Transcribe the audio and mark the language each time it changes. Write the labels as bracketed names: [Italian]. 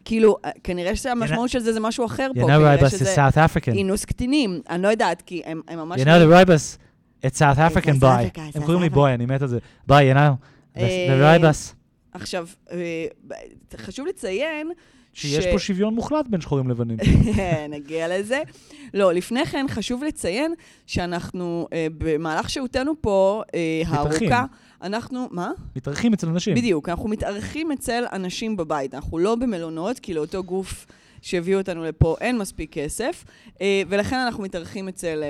[Hebrew] כאילו, כנראה שהמשמעות של זה זה משהו אחר פה. [English] You know רויבוס is South African. [Hebrew] אינוס קטינים. אני לא יודעת, כי הם ממש... [English] You know the רויבוס, it's South African, boy. [Hebrew] הם קוראים לי בואי, אני מת על זה. [English] בואי, you know, the רויבוס. [Hebrew] עכשיו, חשוב לציין שיש פה שוויון מוחלט בין שחורים לבנים. נגיע לזה. לא, לפני כן חשוב לציין שאנחנו במהלך שהותנו פה הארוכה, אנחנו, מה? מתארחים אצל אנשים. בדיוק, אנחנו מתארחים אצל אנשים בבית. אנחנו לא במלונות, כי לאותו גוף שהביאו אותנו לפה אין מספיק כסף, ולכן אנחנו מתארחים אצל...